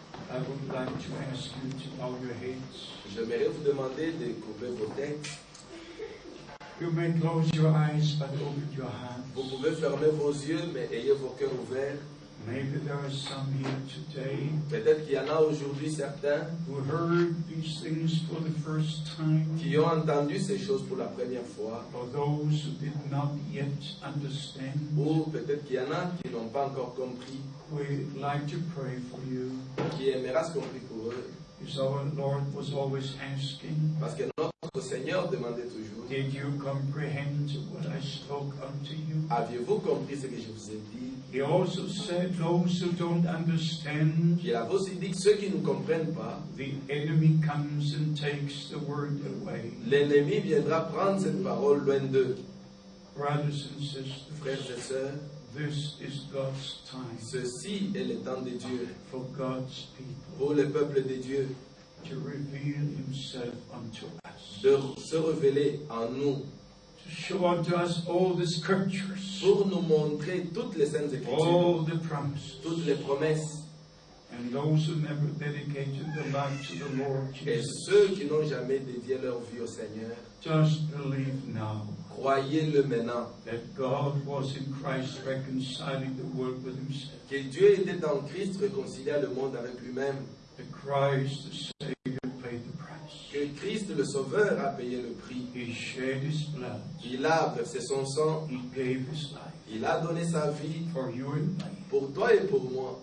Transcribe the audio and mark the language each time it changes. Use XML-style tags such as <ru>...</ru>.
<en>I would like to ask you to bow your heads.</en> <fr>J'aimerais vous demander de couper vos têtes.</fr> <en>You may close your eyes, but open your hands.</en> <fr>Vous pouvez fermer vos yeux, mais ayez vos cœurs ouverts.</fr> <en>Maybe there are some here today.</en> <fr>Peut-être qu'il y en a aujourd'hui certains.</fr> <en>Who heard these things for the first time.</en> <fr>Qui ont entendu ces choses pour la première fois.</fr> <en>Or those who did not yet understand.</en> <fr>Ou peut-être qu'il y en a qui n'ont pas encore compris.</fr> <en>We'd like to pray for you.</en> <fr>Qui aimeraient se compris pour eux.</fr> <en>Because our Lord was always asking.</en> <fr>Parce que notre Seigneur demandait toujours.</fr> <en>Did you comprehend what I spoke unto you?</en> <fr>Aviez-vous compris ce que je vous ai dit?</fr> <en>He also said, "Those who don't understand."</en> <fr>Il a aussi dit que ceux qui ne comprennent pas.</fr> <en>The enemy comes and takes the word away.</en> <fr>L'ennemi viendra prendre cette parole loin d'eux.</fr> <en>Brothers and sisters,</en> <fr>frères et sœurs,</fr> <en>This is God's time.</en> <fr>Ceci est le temps de Dieu.</fr> <en>For God's people.</en> <fr>Pour le peuple de Dieu.</fr> <en>To reveal Himself unto us.</en> <fr>De se révéler à nous.</fr> <en>To show unto us all the scriptures.</en> <fr>Pour nous montrer toutes les saintes écritures.</fr> <en>All the promises.</en> <fr>Toutes les promesses.</fr> <en>And those who never dedicated their life to the Lord Jesus.</en> <fr>Et ceux qui n'ont jamais dédié leur vie au Seigneur.</fr> <en>Just believe now.</en> <fr>Croyez-le maintenant.</fr> <en>That God was in Christ reconciling the world with Himself.</en> <fr>Que Dieu était en Christ réconciliant le monde avec lui-même.</fr> <en>That Christ the Savior paid the price.</en> <fr>Que Christ le Sauveur a payé le prix.</fr> <en>He shed His blood.</en> <fr>Il a versé son sang.</fr> <en>He gave His life.</en> <fr>Il a donné sa vie</fr> <en>for you and me.</en> <fr>Pour toi et pour moi.</fr>